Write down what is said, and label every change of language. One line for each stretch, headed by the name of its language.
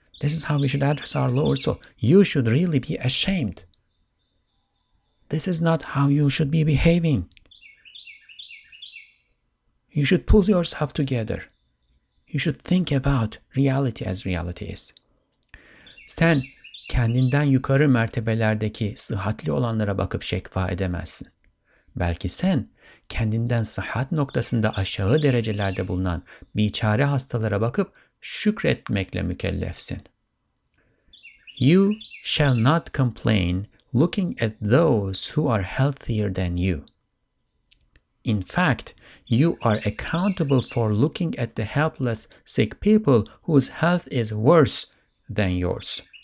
English: This is how we should address our lower soul. You should really be ashamed. This is not how you should be behaving. You should pull yourself together. You should think about reality as reality is.
Turkish: Sen kendinden yukarı mertebelerdeki sıhhatli olanlara bakıp şekva edemezsin. Belki sen kendinden sıhhat noktasında aşağı derecelerde bulunan biçare hastalara bakıp şükretmekle mükellefsin.
English: You shall not complain looking at those who are healthier than you. In fact, you are accountable for looking at the helpless sick people whose health is worse than yours.